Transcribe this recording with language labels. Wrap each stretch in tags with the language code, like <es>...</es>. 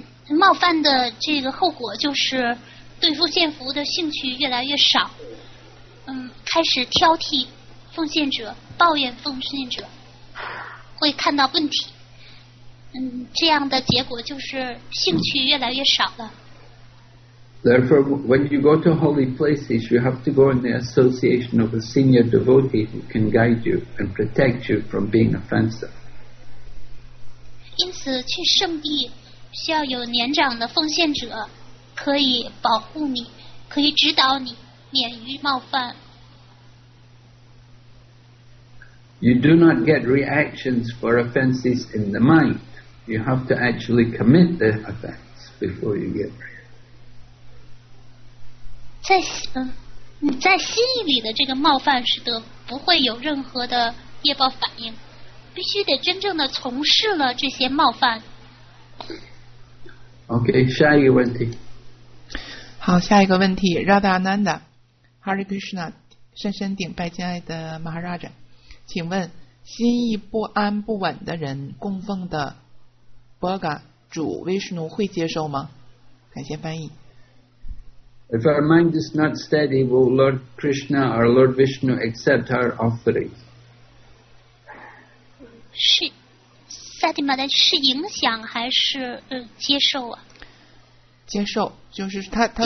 <zh>冒犯的这个后果就是对奉献服务的兴趣越来越少，开始挑剔奉献者、抱怨奉献者，会看到问题。嗯，这样的结果就是兴趣越来越少了。</zh> <en>Therefore, when you go to holy places, you have to go in the association of a senior devotee who can guide you and protect you from being offensive.</en> <zh>因此，去圣地需要有年长的奉献者，可以保护你，可以指导你，免于冒犯。</zh> <en>You do not get reactions for offenses in the mind. You have to actually commit the offense before you get reactions.</en> <zh>你在心里的这个冒犯是得不会有任何的业报反应，必须得真正的从事了这些冒犯。 Okay, 下一个问题。好，下一个问题 ，Radha Ananda, Hare Krishna, 深深顶拜敬爱的 Maharaja。请问心意不安不稳的人供奉的 Bhaga 主威士奴会接受吗？感谢翻译。</zh> <en>If our mind is not steady, will Lord Krishna or Lord Vishnu accept our offering?</en> <zh>是 Sadhimada 是影响还是接受啊？接受，就是他说</zh>